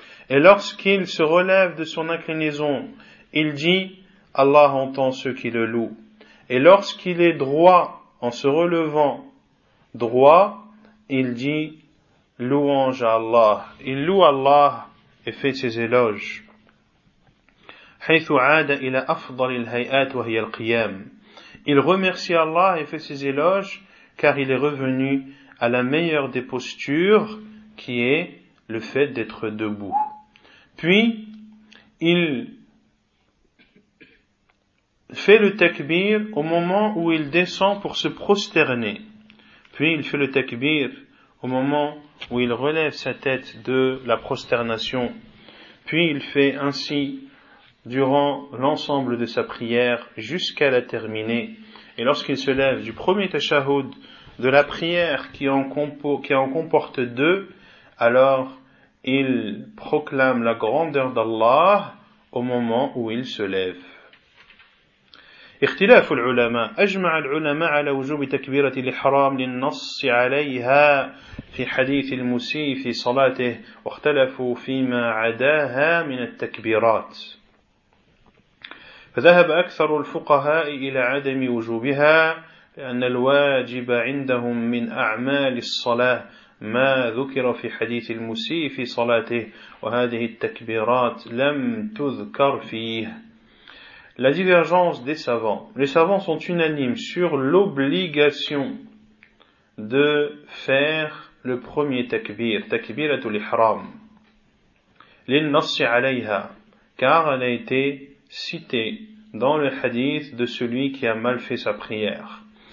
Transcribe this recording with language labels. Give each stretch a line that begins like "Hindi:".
French: Et lorsqu'il se relève de son inclinaison, il dit Allah entend ceux qui le louent. Et lorsqu'il est droit, en se relevant droit, il dit louange à Allah. Il loue Allah et fait ses éloges.
Arabic: حيث عاد إلى أفضل الهيئات وهي القيام.
French: Il remercie Allah et fait ses éloges car il est revenu à la meilleure des postures qui est le fait d'être debout. Puis il fait le takbir au moment où il descend pour se prosterner. Puis il fait le takbir au moment où il relève sa tête de la prosternation. Puis il fait ainsi durant l'ensemble de sa prière jusqu'à la terminer. Et lorsqu'il se lève du premier tashahhud de la prière qui en comporte deux, alors il proclame la grandeur d'Allah au moment où il se lève.
Arabic: اختلاف العلماء أجمع العلماء على وجوب تكبيرة الإحرام للنص عليها في حديث المسيء في صلاته واختلفوا فيما عداها من التكبيرات فذهب أكثر الفقهاء إلى عدم وجوبها لأن الواجب عندهم من أعمال الصلاة ما ذكر في حديث المسيء في صلاته وهذه التكبيرات لم تذكر فيه.
French: La divergence des savants. Les savants sont unanimes sur l'obligation de faire le premier takbir, takbiratul ihram,
Arabic: lin nassi alayha,
French: car elle a été citée dans le hadith de celui qui a mal fait sa prière.